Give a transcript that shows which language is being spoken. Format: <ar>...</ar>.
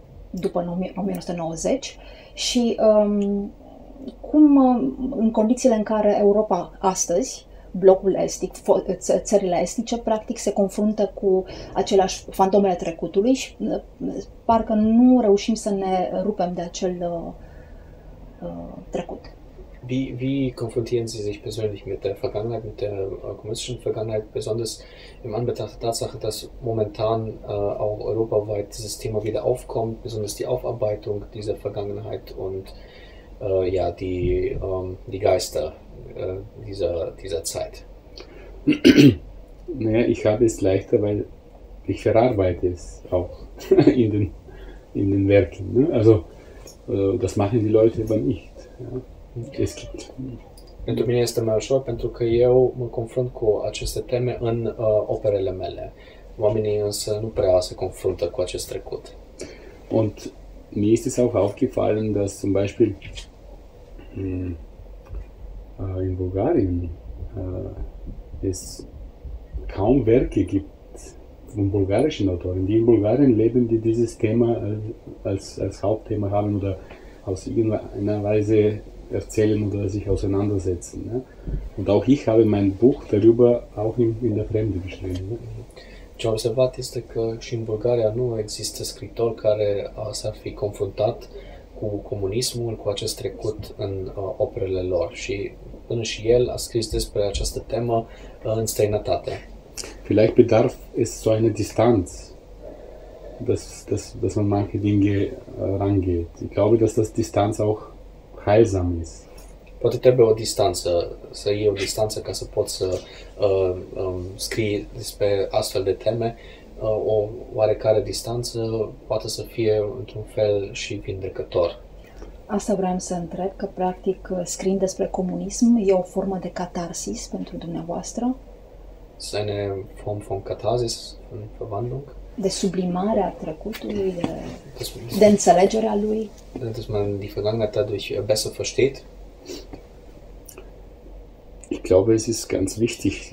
<ro>după 1990 și cum în condițiile în care Europa astăzi, blocul estic, țările estice, practic se confruntă cu aceleași fantomele trecutului și parcă nu reușim să ne rupem de acel trecut.</ro> <de>Wie konfrontieren Sie sich persönlich mit der Vergangenheit, mit der kommunistischen Vergangenheit, besonders im Anbetracht der Tatsache, dass momentan auch europaweit dieses Thema wieder aufkommt, besonders die Aufarbeitung dieser Vergangenheit und ja die die Geister dieser Zeit? Naja, ich habe es leichter, weil ich verarbeite es auch in den Werken. Ne? Also das machen die Leute aber nicht. Ja?</de> <ro>Pentru mine este mai ușor pentru că eu mă confrunt cu aceste teme în operele mele. Oamenii însă nu prea se confruntă cu acest trecut.</ro> <de>Und mir ist es auch aufgefallen, dass zum Beispiel in Bulgarien es kaum Werke gibt von bulgarischen Autoren, die in Bulgarien leben, die dieses Thema als Hauptthema haben oder aus irgendeiner Weise erzählen oder sich auseinandersetzen. Ne? Und auch ich habe mein Buch darüber auch in der Fremde geschrieben. Ne?</de> <ro>Ce-am observat este că și în Bulgaria nu există scriitor care s-ar fi confruntat cu comunismul, cu acest trecut în operele lor. Și până și el a scris despre această temă în străinătate.</ro> <de>Vielleicht bedarf es so eine Distanz, dass man manche Dinge rangeht. Ich glaube, dass das Distanz auch heilsam ist.</de> <ro>Poate trebuie o distanță, să iei o distanță ca să poți să scrii despre astfel de teme, o oarecare distanță poate să fie într-un fel și vindecător. Asta vreau să întreb, că practic scriind despre comunism e o formă de catarsis pentru dumneavoastră?</ro> <de>Seine Form von Katharsis, von Verwandlung.</de> <ro>De sublimare a trecutului, de înțelegerea lui.</ro> <de>Dass man die Vergangenheit dadurch besser versteht. Ich glaube, es ist ganz wichtig.</de>